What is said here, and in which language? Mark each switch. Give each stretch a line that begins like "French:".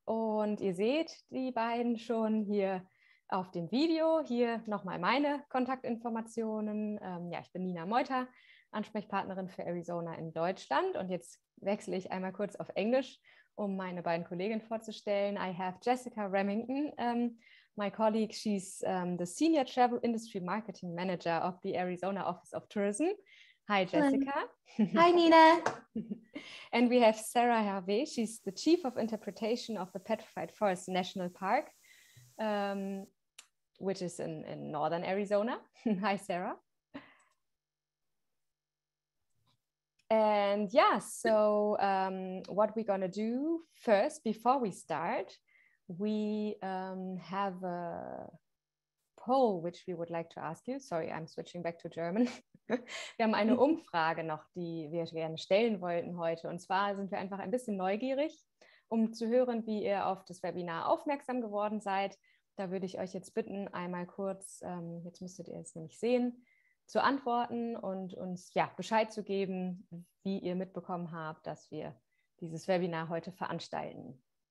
German: Und ihr seht die beiden schon hier auf dem Video. Hier nochmal meine Kontaktinformationen. Ja, ich bin Nina Meuter, Ansprechpartnerin für Arizona in Deutschland. Und jetzt wechsle ich einmal kurz auf Englisch, um meine beiden Kolleginnen vorzustellen.
English: I have Jessica Remington, my colleague. She's the Senior Travel Industry Marketing Manager of the Arizona Office of Tourism. Hi, Hello. Jessica. Hi, Nina. And we have Sarah Harvey. She's the Chief of Interpretation of the Petrified Forest National Park, which is in Northern Arizona. Hi, Sarah. And yeah, so what we're gonna do first, before we start, we have a poll, which we would like to ask you. Sorry, I'm switching back to German.
German: Wir haben eine Umfrage noch, die wir gerne stellen wollten heute. Und zwar sind wir einfach ein bisschen neugierig, um zu hören, wie ihr auf das Webinar aufmerksam geworden seid. Da würde ich euch jetzt bitten, einmal kurz, jetzt müsstet ihr es nämlich sehen, zu antworten und uns ja Bescheid zu geben, wie ihr mitbekommen habt, dass wir dieses Webinar heute veranstalten.